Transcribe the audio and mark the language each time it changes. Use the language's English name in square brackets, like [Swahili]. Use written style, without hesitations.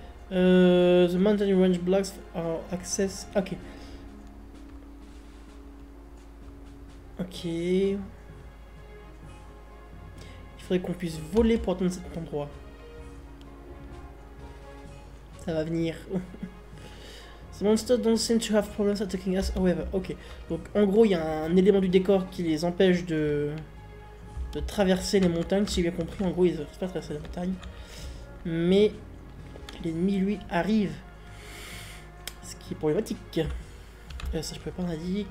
[English] The mountain range blocks are access. Ok. Ok. [French] Il faudrait qu'on puisse voler pour atteindre cet endroit. Ça va venir. [English] The monsters don't seem to have problems attacking us. However, ok. [French] Donc en gros, il y a un élément du décor qui les empêche de traverser les montagnes, si j'ai bien compris. En gros, ils n'arrivent pas à traverser les montagnes. Mais l'ennemi, lui, arrive. Ce qui est problématique. Ça, je peux pas en dire.